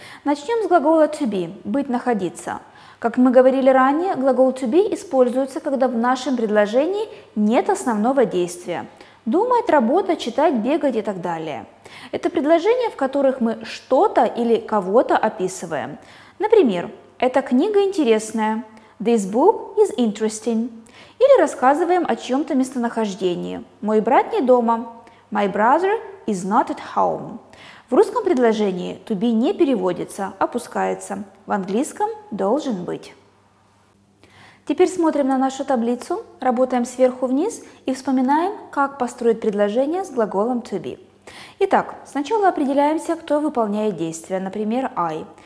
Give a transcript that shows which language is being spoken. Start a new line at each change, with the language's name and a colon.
Russian: Начнем с глагола to be, быть, находиться. Как мы говорили ранее, глагол to be используется, когда в нашем предложении нет основного действия. Думать, работать, читать, бегать и так далее. Это предложения, в которых мы что-то или кого-то описываем. Например, эта книга интересная.
English: This book is interesting.
Russian: Или рассказываем о чьем-то местонахождении. Мой брат не дома.
English: My brother is not at home.
Russian: В русском предложении to be не переводится, опускается. В английском должен быть. Теперь смотрим на нашу таблицу, работаем сверху вниз и вспоминаем, как построить предложение с глаголом to be. Итак, сначала определяемся, кто выполняет действие, например, I.